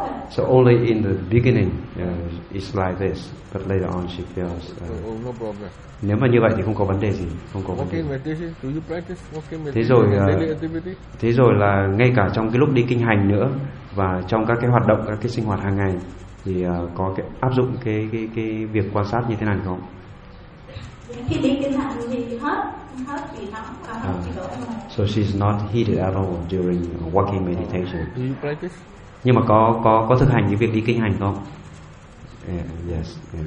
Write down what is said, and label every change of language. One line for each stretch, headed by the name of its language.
English: So only in the beginning it's like this, but later on she feels. No problem.
Vietnamese: Nếu mà như vậy thì không có vấn đề gì, không có okay, vấn đề.
English: Meditation. Do you practice? Okay, meditation.
Vietnamese: Thế rồi, thế rồi là ngay cả trong cái lúc đi kinh hành nữa và trong các cái hoạt động, các cái sinh hoạt hàng ngày thì có cái áp dụng cái việc quan sát như thế này không? Khi đi kinh hành thì hết thì nóng, cả
English: so she's not heated at all during walking meditation. Do you practice?
Vietnamese: Nhưng mà có thực hành cái việc đi kinh hành không? Yes.